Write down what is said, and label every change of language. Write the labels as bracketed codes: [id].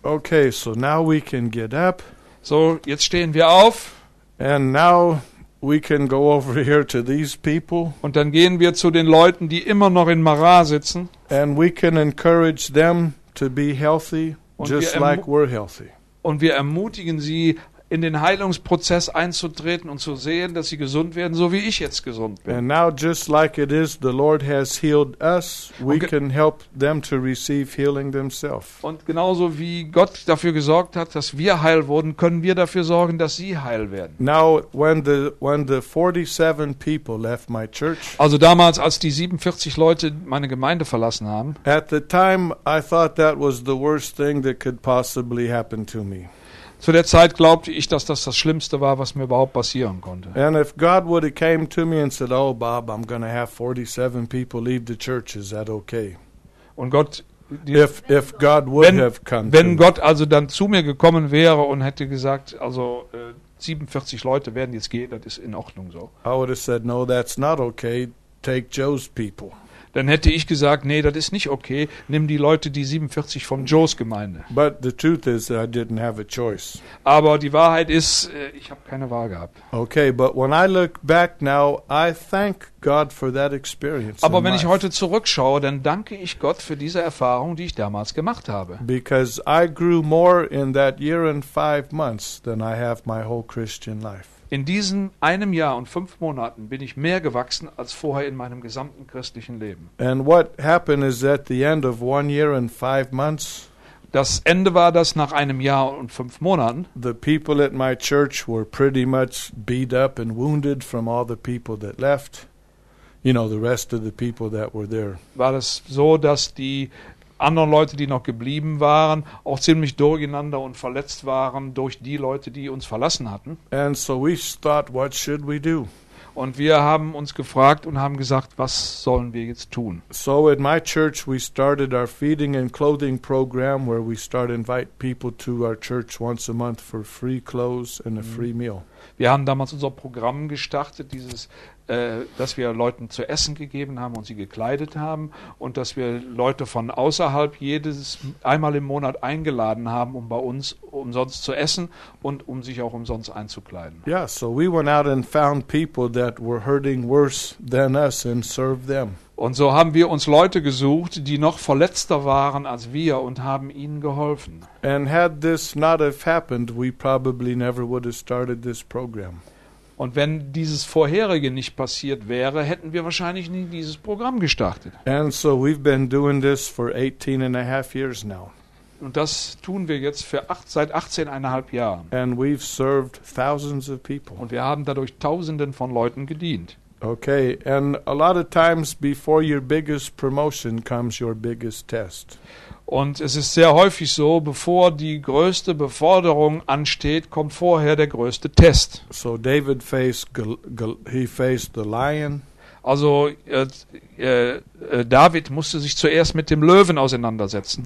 [en] Okay, so now we can get up. [de] So, jetzt stehen wir auf. [en] And now we can go over here to these people. [de] Und dann gehen wir zu den Leuten, die immer noch in Mara sitzen. [en] And we can encourage them to be healthy, just like we're healthy. [de] Und wir ermutigen sie, in den Heilungsprozess einzutreten und zu sehen, dass sie gesund werden, so wie ich jetzt gesund bin. [en] And now just like it is, the Lord has healed us, we can help them to receive healing themselves. [de] Und genauso wie Gott dafür gesorgt hat, dass wir heil wurden, können wir dafür sorgen, dass sie heil werden. [en] Now when the 47 people left my church. [de] Also damals, als die 47 Leute meine Gemeinde verlassen haben. [en] At the time I thought that was the worst thing that could possibly happen to me. [de] Zu der Zeit glaubte ich, dass das Schlimmste war, was mir überhaupt passieren konnte. [en] And if God would have came to me and said, "Oh, Bob, I'm going to have 47 people leave the church. Is that okay?" [de] Und Gott, [en] if God would [de] wenn, [en] have come, [de] wenn to Gott also dann zu mir gekommen wäre und hätte gesagt, also 47 Leute werden jetzt gehen, das ist in Ordnung so. [en] I would have said, "No, that's not okay. Take Joe's people." [de] Dann hätte ich gesagt, nee, das ist nicht okay. Nimm die Leute, die 47 von Joes Gemeinde. [en] But the truth is, I didn't have a choice. [de] Aber die Wahrheit ist, ich habe keine Wahl gehabt. [en] Okay, but when I look back now, I thank God for that experience. [de] Aber wenn ich heute zurückschaue, dann danke ich Gott für diese Erfahrung, die ich damals gemacht habe. [en] Because I grew more in that year and 5 months than I have my whole Christian life. [de] In diesem einem Jahr und 5 Monaten bin ich mehr gewachsen als vorher in meinem gesamten christlichen Leben. [en] And what happened is at the end of 1 year and 5 months. [de] Das Ende war, dass nach einem Jahr und 5 Monaten. [en] The people at my church were pretty much beat up and wounded from all the people that left. You know, the rest of the people that were there. [de] War es so, dass die anderen Leute, die noch geblieben waren, auch ziemlich durcheinander und verletzt waren durch die Leute, die uns verlassen hatten. [en] And so we thought, what should we do? [de] Und wir haben uns gefragt und haben gesagt, was sollen wir jetzt tun? [en] So at my church we started our feeding and clothing program where we start invite people to our church once a month for free clothes and a free meal. [de] Wir haben damals unser Programm gestartet, dieses dass wir Leuten zu essen gegeben haben und sie gekleidet haben und dass wir Leute von außerhalb jedes einmal im Monat eingeladen haben, um bei uns umsonst zu essen und um sich auch umsonst einzukleiden. [en] Yeah, so we went out and found people that were hurting worse than us and served them. [de] Und so haben wir uns Leute gesucht, die noch verletzter waren als wir und haben ihnen geholfen. [en] And had this not have happened, we probably never would have started this program. [de] Und wenn dieses vorherige nicht passiert wäre, hätten wir wahrscheinlich nie dieses Programm gestartet. [en] And so we've been doing this for 18 and a half years now. [de] Und das tun wir jetzt seit 18,5 Jahren. [en] And we've served thousands of people. [de] Und wir haben dadurch Tausenden von Leuten gedient. [en] Okay, and a lot of times before your biggest promotion comes your biggest test. [de] Und es ist sehr häufig so, bevor die größte Beforderung ansteht, kommt vorher der größte Test. [en] So David faced the lion. [de] Also David musste sich zuerst mit dem Löwen auseinandersetzen.